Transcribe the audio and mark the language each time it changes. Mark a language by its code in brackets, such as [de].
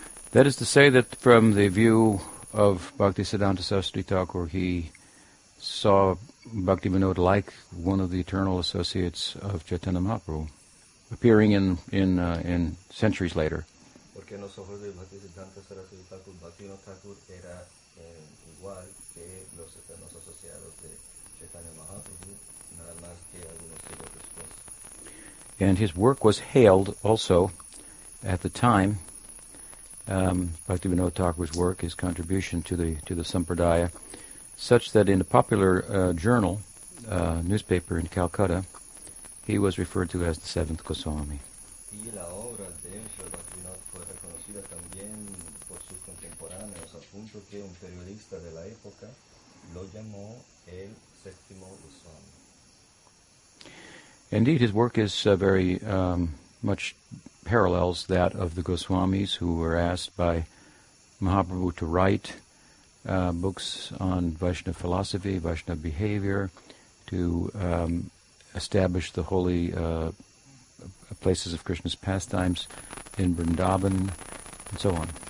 [en] That is to say that from the view of Bhaktisiddhanta Saraswati Thakura, he saw Bhakti Vinod like one of the eternal associates of Chaitanya Mahaprabhu, appearing in centuries later. [es] Porque en los ojos de Bhaktisiddhanta Saraswati Thakura, Bhakti Vinod Thakura era igual que los eternos asociados de Chaitanya Mahaprabhu, nada más que algunos siglos después. [en] And his work was hailed also at the time, Bhaktivinoda Thakura's work, his contribution to the Sampradaya, such that in a popular journal, newspaper in Calcutta, he was referred to as the seventh Goswami. [es] Y la obra de Srila Bhaktivinoda fue reconocida también por sus contemporáneos, a punto que un periodista de la época lo llamó el séptimo Goswami. [en] Indeed, his work is very much parallels that of the Goswamis who were asked by Mahaprabhu to write books on Vaishnava philosophy, Vaishnava behavior, to establish the holy places of Krishna's pastimes in Vrindavan, and so on.